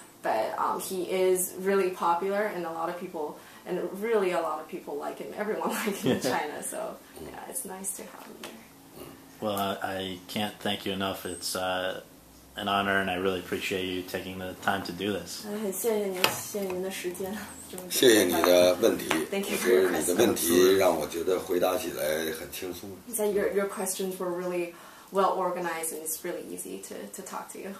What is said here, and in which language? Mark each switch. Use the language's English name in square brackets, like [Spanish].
[English] But he is really popular, and a lot of people like him. Everyone likes him in China. So yeah, it's nice to have him there. Well, I can't thank you enough. It's an honor, and I really appreciate you taking the time to do this. [Chinese] 谢谢您的时间，谢谢你的问题，我觉得你的问题让我觉得回答起来很轻松。 [English] He said your questions were really well organized, and it's really easy to talk to you.